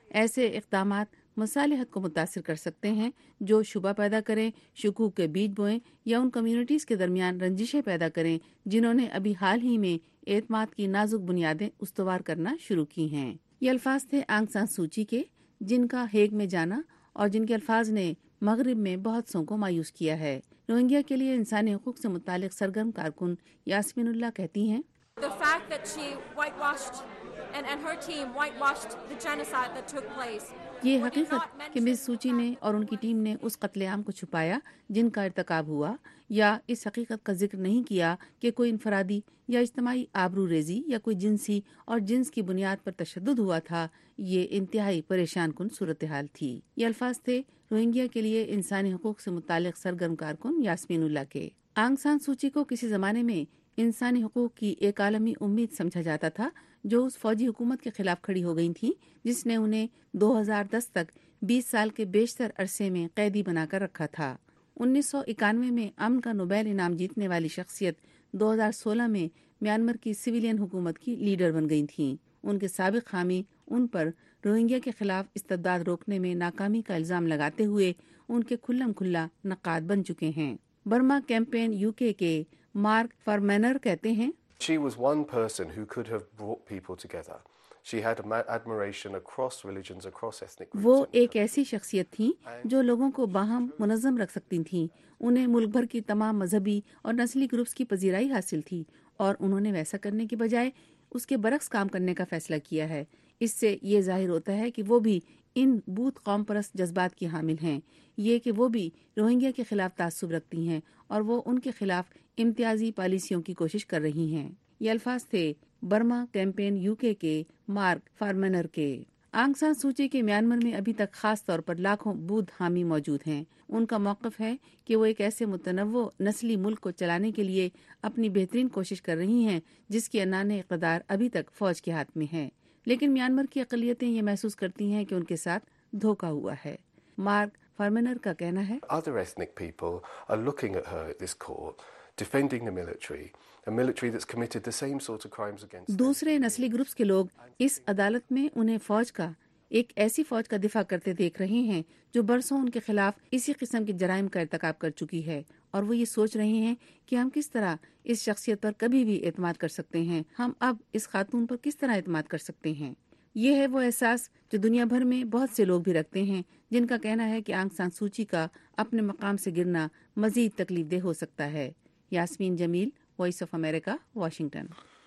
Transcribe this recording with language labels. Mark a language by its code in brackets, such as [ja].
[ur] ایسے اقدامات مصالحت کو متاثر کر سکتے ہیں جو شبہ پیدا کریں, شکوک کے بیج بوئیں یا ان کمیونٹیز کے درمیان رنجشیں پیدا کریں جنہوں نے ابھی حال ہی میں اعتماد کی نازک بنیادیں استوار کرنا شروع کی ہیں. یہ الفاظ تھے آنگ سان سوچی کے, جن کا ہیگ میں جانا اور جن کے الفاظ نے مغرب میں بہت سو کو مایوس کیا ہے. روہنگیا کے لیے انسانی حقوق سے متعلق سرگرم کارکن یاسمین اللہ کہتی ہیں, [en] The fact that she whitewashed and her team whitewashed the genocide that took place. [ur] یہ حقیقت کہ مس سوچی نے اور ان کی ٹیم نے اس قتل عام کو چھپایا جن کا ارتکاب ہوا, یا اس حقیقت کا ذکر نہیں کیا کہ کوئی انفرادی یا اجتماعی آبرو ریزی یا کوئی جنسی اور جنس کی بنیاد پر تشدد ہوا تھا, یہ انتہائی پریشان کن صورتحال تھی. یہ الفاظ تھے روہنگیا کے لیے انسانی حقوق سے متعلق سرگرم کارکن یاسمین اللہ کے. آنگ سان سوچی کو کسی زمانے میں انسانی حقوق کی ایک عالمی امید سمجھا جاتا تھا جو اس فوجی حکومت کے خلاف کھڑی ہو گئی تھی جس نے انہیں 2010 تک 20 سال کے بیشتر عرصے میں قیدی بنا کر رکھا تھا. 1991 میں امن کا نوبیل انعام جیتنے والی شخصیت 2016 میں میانمار کی سویلین حکومت کی لیڈر بن گئی تھیں. ان کے سابق حامی ان پر روہنگیا کے خلاف استبداد روکنے میں ناکامی کا الزام لگاتے ہوئے ان کے کھلم کھلا نقاد بن چکے ہیں. برما کیمپین یو کے کے مارک فرمینر کہتے ہیں, [en] She was one person who could have brought people together. She had admiration across religions, across ethnic groups. [ur] وہ ایک ایسی شخصیت تھیں جو لوگوں کو باہم منظم رکھ سکتی تھیں. انہیں ملک بھر کی تمام مذہبی اور نسلی گروپس کی پذیرائی حاصل تھی, اور انہوں نے ویسا کرنے کے بجائے اس کے برعکس کام کرنے کا فیصلہ کیا ہے. اس سے یہ ظاہر ہوتا ہے کہ وہ بھی ان بوت قوم پرست جذبات کی حامل ہیں. یہ کہ وہ بھی روہنگیا کے خلاف تعصب رکھتی ہیں اور وہ ان کے خلاف امتیازی پالیسیوں کی کوشش کر رہی ہیں. یہ الفاظ تھے برما کیمپین یو کے مارک فارمنر کے. آنگ سان سوچی کے میانمار میں ابھی تک خاص طور پر لاکھوں بودھ حامی موجود ہیں. ان کا موقف ہے کہ وہ ایک ایسے متنوع نسلی ملک کو چلانے کے لیے اپنی بہترین کوشش کر رہی ہیں جس کی انانے اقتدار ابھی تک فوج کے ہاتھ میں ہے, لیکن میانمار کی اقلیتیں یہ محسوس کرتی ہیں کہ ان کے ساتھ دھوکا ہوا ہے. مارک فارمنر کا کہنا ہے, [en] Other ethnic people are looking at her at this court. Defending the military, a military that's committed the same sort of crimes against [ur] دوسرے نسلی گروپس کے لوگ اس عدالت میں انہیں فوج کا ایک ایسی فوج کا دفاع کرتے دیکھ رہے ہیں جو برسوں ان کے خلاف اسی قسم کے جرائم کا ارتکاب کر چکی ہے، اور وہ یہ سوچ رہے ہیں کہ ہم کس طرح اس شخصیت پر کبھی بھی اعتماد کر سکتے ہیں، ہم اب اس خاتون پر کس طرح اعتماد کر سکتے ہیں۔ یہ ہے وہ احساس جو دنیا بھر میں بہت سے لوگ بھی رکھتے ہیں، جن کا کہنا ہے کہ آنگ سان سوچی کا اپنے مقام سے گرنا مزید تکلیف دہ ہو سکتا ہے۔ یاسمین جمیل، وائس آف امریکہ، واشنگٹن۔